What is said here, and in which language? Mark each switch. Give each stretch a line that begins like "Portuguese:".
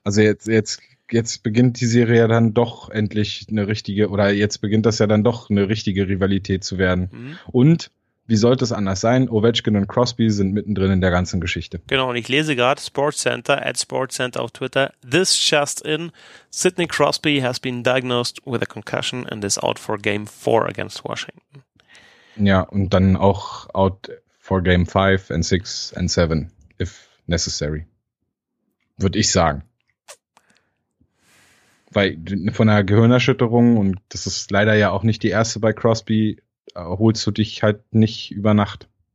German: Also jetzt beginnt die Serie ja dann doch endlich eine richtige, oder jetzt beginnt das ja dann doch eine richtige Rivalität zu werden. Mhm. Und wie sollte es anders sein? Ovechkin und Crosby sind mittendrin in der ganzen Geschichte. Genau, und ich lese gerade SportsCenter, @SportsCenter auf Twitter.
English: This just in, Sidney Crosby has been diagnosed with a concussion and is out for Game 4 against Washington.
German: Ja, und dann auch
English: out for Game 5 and 6 and 7, if necessary.
German: Würde ich sagen. Weil von einer Gehirnerschütterung, und das ist leider ja auch nicht die erste bei Crosby, erholst du dich halt nicht über Nacht.